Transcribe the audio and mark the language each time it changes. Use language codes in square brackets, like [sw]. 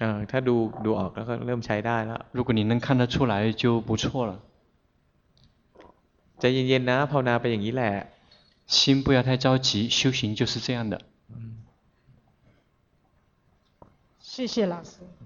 [th] ถ้าดูออกแล้วก็เริ่มใช้ได้แล้ว [zh] 如果你能看得出来就不错了 [th] ใจเย็นๆนะภาวนาไปอย่างนี้แหละ [zh] 心不要太着急修行就是这样的谢谢老师